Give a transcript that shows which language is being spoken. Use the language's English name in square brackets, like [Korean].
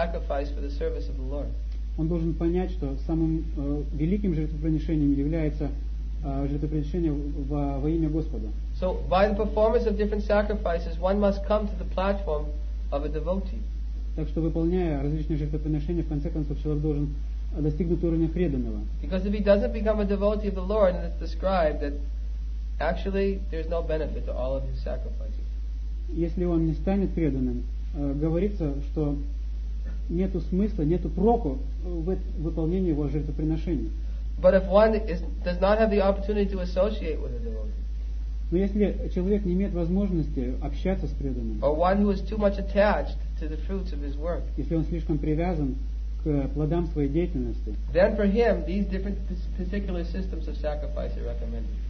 [Russian] Он должен понять, что самым великим жертвоприношением является жертвоприношение во имя Господа. [English] So by the performance of different sacrifices, one must come to the platform of a devotee. [Russian] Так что выполняя различные жертвоприношения, в конце концов человек должен достигнуть уровня преданного. [English] Because if he doesn't become a devotee of the Lord, and it's described that actually, there's no benefit to all of his sacrifices. [Russian] Если он не станет преданным, говорится, что нету смысла, нету проку в выполнении его жертвоприношений. [English] But if one does not have the opportunity to associate with a devotee. [Russian] Но если человек не имеет возможности общаться с преданным. [English] Or one who is too much attached to the fruits of his work. [Russian] Если он слишком привязан к плодам своей деятельности. [English] Then for him, these different particular systems of sacrifice are recommended.